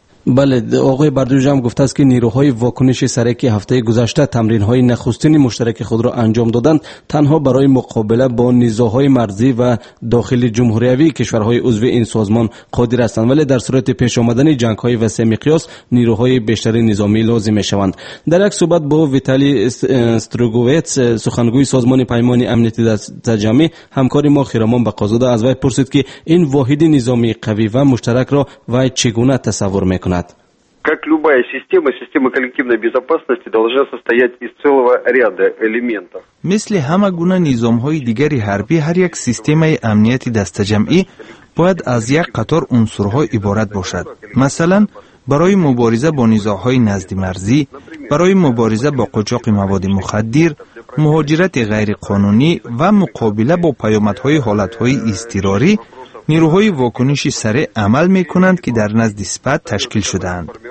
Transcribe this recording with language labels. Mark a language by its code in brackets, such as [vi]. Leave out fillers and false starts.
[fa] بله، آقای بردوژ هم گفته است که نیروهای واکنش سری که هفته گذشته تمرین های نخستین مشترک خود را انجام دادند تنها برای مقابله با نزاهای مرزی و داخل جمهوریوی کشورهای عضو این سازمان قادر هستند، ولی در صورت پیش آمدن جنگ های وسیع مقیاس نیروهای بیشتر نظامی لازم می شوند. در یک صحبت با ویتالی استروگوویتس سخنگوی سازمان پیمان امنیتی دست جمعی همکار ما خیرمان بقازاده از وی پرسید که این واحد نظامی قوی و مشترک را وی چگونه تصور می کند. [ru] Как любая система, система коллективной безопасности должна состоять из целого ряда элементов. [fa] مثل همه گونه نظام های دیگری حربی هر یک سیستمی امنیتی دسته جمعی باید از یک قطار عنصر های عبارت باشد. مثلا برای مبارزه با نزاع‌های نزد مرزی، برای مبارزه با قاچاق مواد مخدر، مهاجرت غیر قانونی و مقابله با پیامدهای حالت‌های اضطراری نیروهای واکنش سریع عمل می کنند که در نزد سپاه تشکیل شدند.